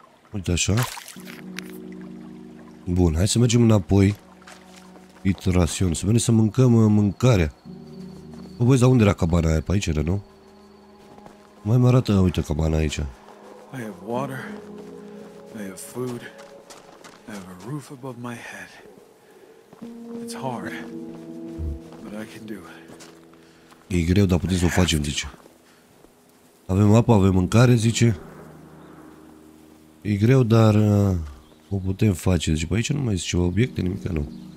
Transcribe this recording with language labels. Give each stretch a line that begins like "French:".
Romanian: Uite așa. Bun, hai să mergem înapoi. Iteration. Să venim să mâncăm mâncarea. Bă, băi, dar unde era cabana aia? Pe aici era, nu? Mai mi-arată, uite, cabana aici.
English: I have water. I have food. I have a roof above my head. It's hard. But I can do it.
Romanian: E greu, dar putem să o facem, zice. Avem apă, avem mâncare, zice. E greu, dar... O putem face. Deci pe aici nu mai zice obiecte, nimic, nu.